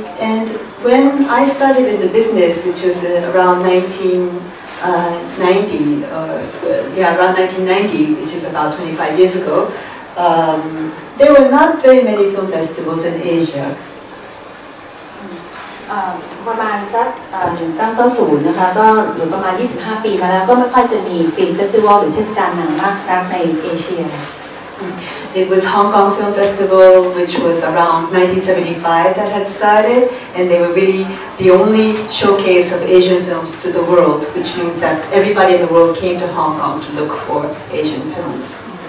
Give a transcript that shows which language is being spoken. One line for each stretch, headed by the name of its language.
English: And when I started in the business, which was around 1990, which is about 25 years ago, there were not very many film festivals in Asia.
Thai: ประมาณสักตั้งต้นศูนย์นะคะก็อยู่ประมาณ25ปีมาแล้วก็ไม่ค่อยจะมีฟิล์มเฟสติวัลหรือเทศกาลหนังมากนักในเอเชีย
English: It was Hong Kong Film Festival, which was around 1975 that had started, and they were really the only showcase of Asian films to the world, which means that everybody in the world came to Hong Kong to look for Asian films.